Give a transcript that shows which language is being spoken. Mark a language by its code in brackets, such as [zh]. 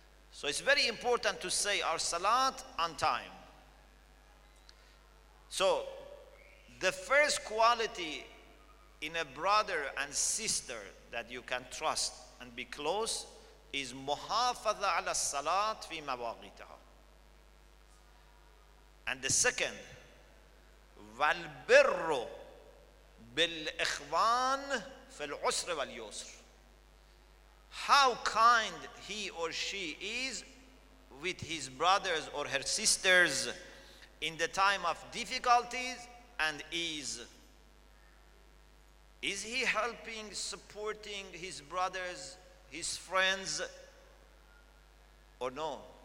[en] So it's very important to say our salat on time. So the first quality in a brother and sister that you can trust and be close is [ar] muhafaza ala salat fi mawaqitaha. [en] And the second, [ar] والبر بالإخوان في العسر واليسر. [en] How kind he or she is with his brothers or her sisters in the time of difficulties and ease. Is he helping, supporting his brothers, his friends, or no?